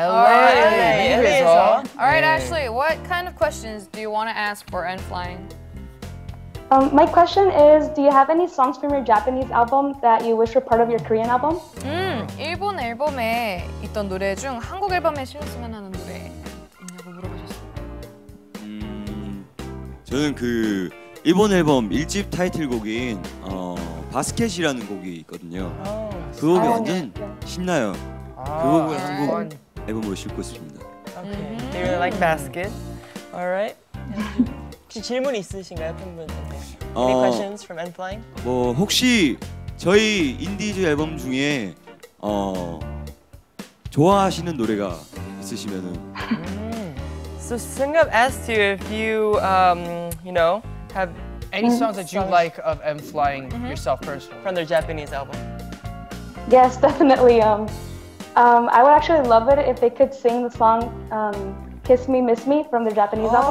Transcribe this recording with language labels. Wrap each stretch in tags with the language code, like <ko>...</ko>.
<en>All right, Ashley, what kind of questions do you want to ask for N.Flying? My question is, do you have any songs from your Japanese album that you wish were part of your Korean album?</en> <ko>일본 앨범에 있던 노래 중 한국 앨범에 실렸으면 하는 노래 있냐고 물어보셨어요. 저는 그 일본 앨범 1집 타이틀곡인 바스켓이라는 곡이 있거든요. 그 곡이 완전 신나요. 그 곡을 한국 앨범으로 싣고 있습니다.</ko> <en>Okay. Do you like Basket? Alright.</en> <ko>혹시 질문 있으신가요, 팬분들?</ko> <en>Any questions from N.Flying?</en> <ko>뭐 혹시 저희 인디즈 앨범 중에 좋아하시는 노래가 있으시면은.</ko> <en>So Seungup asked you if you you know have any songs that you like of N.Flying yourself personally from their Japanese album. Yes, definitely. I would actually love it if they could sing the song Kiss Me, Miss Me from the Japanese album.</en>